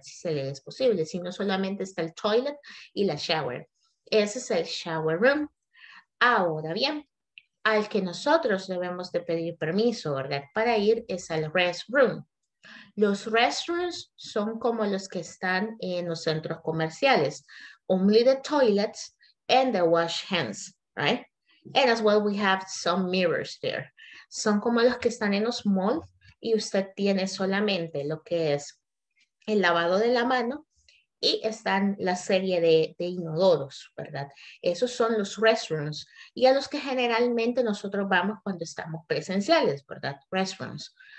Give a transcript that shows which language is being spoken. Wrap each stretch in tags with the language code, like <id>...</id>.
<es>Si se le es posible. Si no, solamente está el toilet y la shower. Ese es el shower room. Ahora bien, al que nosotros debemos de pedir permiso, ¿verdad? Para ir es al restroom. Los restrooms son como los que están en los centros comerciales.</es> <en>Only the toilets and the wash hands, right? And as well, we have some mirrors there.</en> <es>Son como los que están en los malls y usted tiene solamente lo que es el lavado de la mano y están la serie de inodoros, ¿verdad? Esos son los restrooms y a los que generalmente nosotros vamos cuando estamos presenciales, ¿verdad? Restrooms.</es>